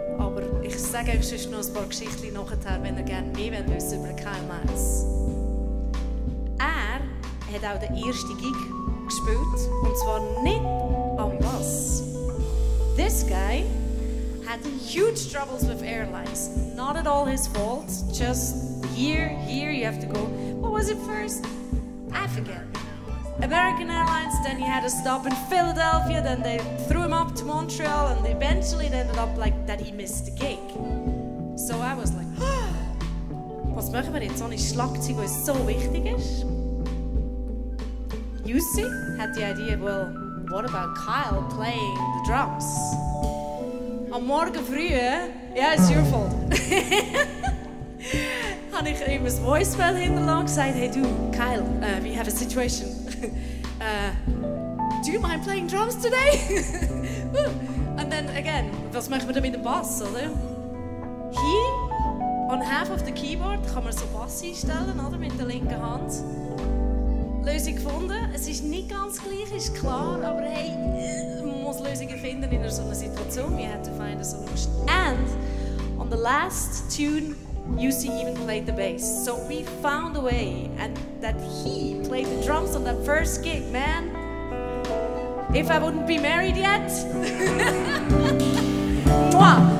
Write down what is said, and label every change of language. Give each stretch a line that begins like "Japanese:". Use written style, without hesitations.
German: Aber ich sage euch sonst noch ein paar Geschichten nachher, wenn ihr gerne mehr wissen wollt über Kyle Miles. Er hat auch den ersten Gig gespielt, und zwar nicht am Bass.
English: This guy had huge troubles with airlines. Not at all his fault, just here you have to go. What was it first? I forget. American Airlines, then he had a stop in Philadelphia, then they threw him up to Montreal, and eventually it ended up like that he missed the gig. So I was like,
German: was machen wir jetzt ohne Schlagzeug, was so wichtig ist?
English: Yussi had the idea, well, what about Kyle playing the drums?
German: Am Morgen früh,
English: yeah, it's your fault.
German: Habe ich ihm ein Voicemail hinterlassen und gesagt, hey du, Kyle,
English: we have a situation. Do you mind playing drums today? And then again,
German: was machen wir da mit dem Bass, oder?
English: He, on half of the keyboard,
German: kann man so Bass einstellen, oder? Mit der linken Hand. Lösung gefunden. Es ist nicht ganz gleich, ist klar, aber hey, man muss Lösungen finden in so einer Situation.
English: We had to find a solution. And on the last tune, Yussi even played the bass. So we found a way, and that he played the drums on that first gig, man. If I wouldn't be married yet. Mwah!